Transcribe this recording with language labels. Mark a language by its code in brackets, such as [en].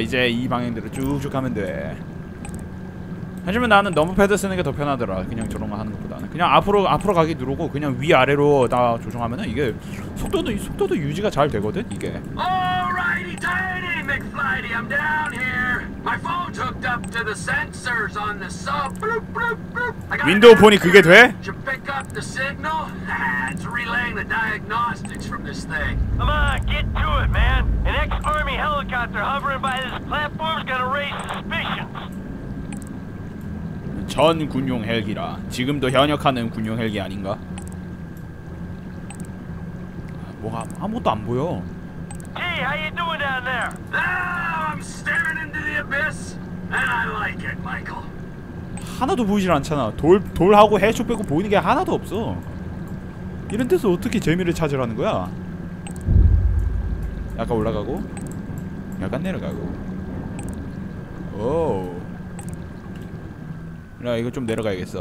[ko] 이제 이 방향대로 쭉쭉 가면 돼. 하지만 나는 넘버패드 쓰는 게 더 편하더라. 그냥 저런 거 하는 것보다는 그냥 앞으로 가기 누르고 그냥 위 아래로 다 조정하면은 이게 속도도 유지가 잘 되거든. 이게. [en] Alrighty-tighty, McFlighty, I'm down here. My phone's hooked up to the sensors on the sub. Bloop, bloop, bloop. [ko] 윈도우 폰이 그게 돼? [en] To pick up the signal? It's relaying the diagnostics from this thing. Come on, get to it, man. An ex-army helicopter hovering by this platform's gonna raise suspicions. [ko] 전 군용 헬기라. 지금도 현역하는 군용 헬기 아닌가? 뭐가 아무것도 안 보여. [en] Hey, how you doing down there? I'm staring into the abyss, and I like it, Michael. [ko] 하나도 보이질 않잖아. 돌하고 해초 빼고 보이는 게 하나도 없어. 이런 데서 어떻게 재미를 찾으라는 거야? 약간 올라가고, 약간 내려가고. 오. 나 이거 좀 내려가야겠어.